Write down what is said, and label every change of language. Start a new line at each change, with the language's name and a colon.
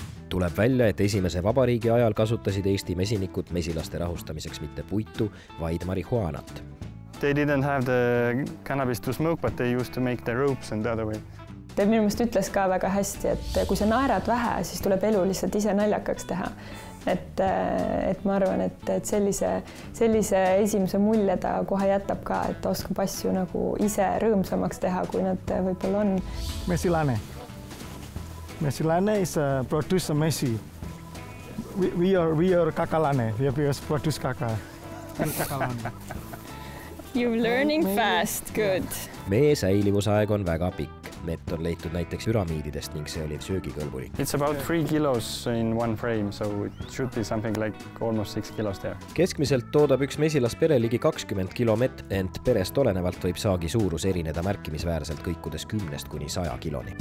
Estonian: Tuleb välja, et esimese vabariigi ajal kasutasid Eesti mesinikud mesilaste rahustamiseks mitte puitu, vaid marihuanat.
English: They didn't have the cannabis to smoke, but they used to make the ropes and the other way.
Estonian: Ta minu mõelest ütles ka väga hästi, et kui sa naerad vähe, siis tuleb elu lihtsalt ise naljakaks teha. Et ma arvan, et sellise esimese mulje ta kohe jätab ka, et oskab asju nagu ise rõõmsamaks teha, kui nad võib-olla on.
English: Mesilane. Mesilane is a producer mesi. We are kakalane. We are produce kaka. And kakalane. You're learning fast. Good.
Estonian: Mee säilivusaeg on väga pikk. Mett on leitud näiteks üramiididest ning see oli söögikõlbulik.
English: It's about 3 kilos in one frame, so it should be something like almost 6 kilos there.
Estonian: Keskmiselt toodab üks mesilas pere ligi 20 kilomet, ent perest olenevalt võib saagi suurus erineda märkimisväärselt kõikudes 10 kuni 100 kiloni.